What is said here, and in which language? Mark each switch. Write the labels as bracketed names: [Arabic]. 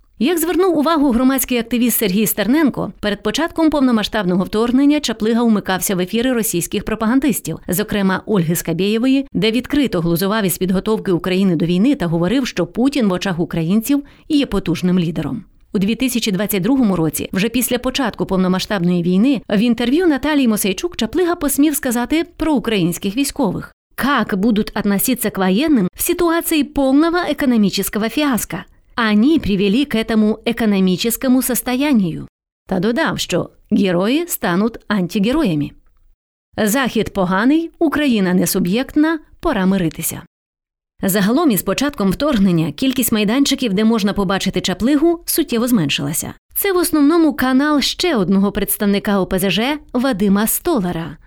[Ukrainian] Як звернув увагу громадський активіст Сергій Стерненко, перед початком повномасштабного вторгнення Чаплига умикався в ефіри російських пропагандистів, зокрема Ольги Скабєєвої, де відкрито глузував із підготовки України до війни та говорив, що Путін в очах українців є потужним лідером. У 2022 році, вже після початку повномасштабної війни, в інтерв'ю Наталії Мосейчук Чаплига посмів сказати про українських військових. [Russian] «Как будут относиться к военным [Ukrainian] в ситуації повного економічного фіаско?» [Russian] Они привели к этому экономическому состоянию. [Ukrainian] Та додав, що герої стануть антигероями. Захід поганий, Україна не суб'єктна, пора миритися. Загалом із початком вторгнення кількість майданчиків, де можна побачити Чаплигу, суттєво зменшилася. Це в основному канал ще одного представника ОПЗЖ Вадима Столара.